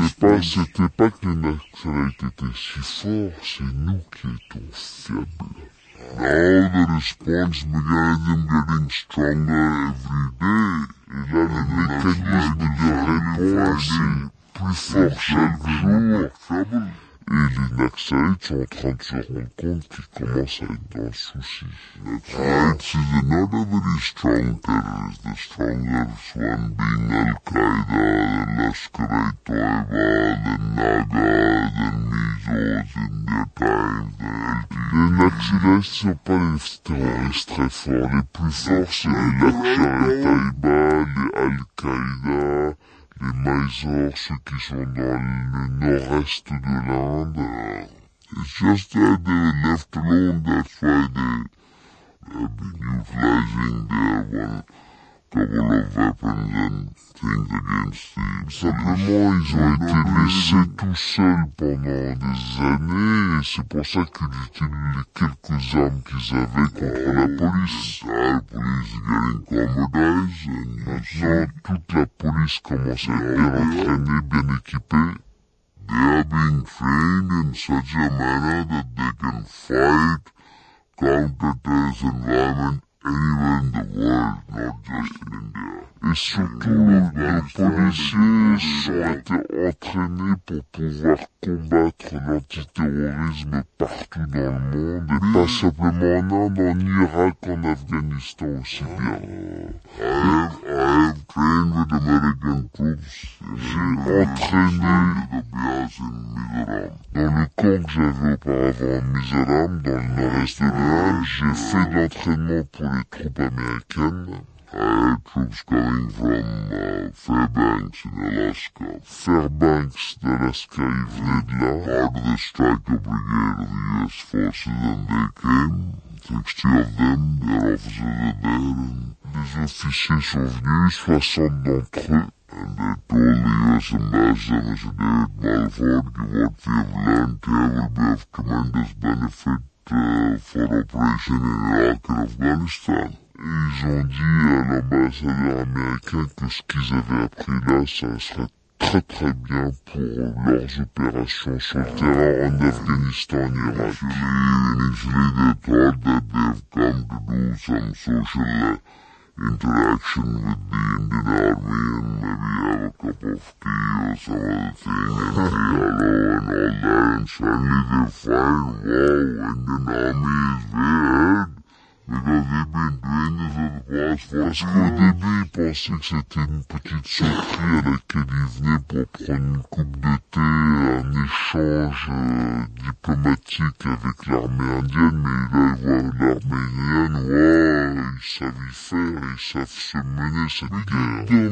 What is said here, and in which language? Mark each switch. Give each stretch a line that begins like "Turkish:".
French: Et c'était pas que Naxalites était si fort, c'est nous qui étions faibles.
English: Now the response mechanism getting stronger every day.
French: Et là, le mécanisme de réponse est plus fort chaque jour. Et les Naxalites sont en train de se rendre compte qu'ils commencent à être dans le souci.
English: Naxalites is not a very strong terrorist. The strongest one being Al-Qaeda, the Lashkar-e-Taiba, the Naga, the Mizos in their time, the LTE.
French: Les Naxalites ne sont pas les terroristes très forts. Les plus forts, c'est les Lashkar-e-Taiba, les Al-Qaeda, les Mysore, ceux qui sont dans le nord-est de l'Inde.
English: It's just that they were left alone, that's why they have been utilizing their one couple of weapons and things against the...
French: Simplement, ils ont été laissés tout seuls pendant des années, et c'est pour ça qu'ils utilisent les quelques armes qu'ils avaient contre la police.
English: The police is getting commodized, and
French: maintenant, toute la police commence à être bien entraînée, bien équipée.
English: They are being trained in such a manner that they can fight counter-terrorist environment anywhere in the world, not just in India.
French: Et surtout, les policiers sont été entraînés pour pouvoir combattre l'antiterrorisme partout dans le monde, et pas simplement en Inde, en Irak, en Afghanistan aussi bien.
English: I have trained with American troops.
French: J'ai entraîné dans le camp que j'avais auparavant à Mizoram, dans le nord-est de l'Inde. J'ai fait de l'entraînement pour les troupes américaines.
English: I had troops coming from Fairbanks in Alaska.
French: Fairbanks, d'Alaska, ils venaient de là.
English: Part of the striker brigade of the US forces, and they came. 60 of them, their officers were there.
French: Les officiers sont venus, 60 d'entre eux.
English: And they told the US ambassador, Mr. David Balfour, what we have learned here will be of tremendous benefit for operation in Iraq and Afghanistan.
French: Ils ont dit à l'ambassadeur américain que ce qu'ils avaient appris là, ça serait très très bien pour leurs opérations sur le terrain en Afghanistan et Irak.
English: Initially, they thought that they've come to do some social interaction with the Indian Army and maybe have a cup of tea or some other thing and say hello and all that. And suddenly they find, wow, Indian Army is way ahead. Because they've been doing this for the past 40 years.
French: Parce qu'au début, ils pensaient que c'était une petite sortie à laquelle ils venaient pour prendre une coupe de thé, un échange diplomatique avec l'armée indienne, mais là, ils voient l'armée indienne, ouais, ils savent y faire, ils savent se mener cette guerre.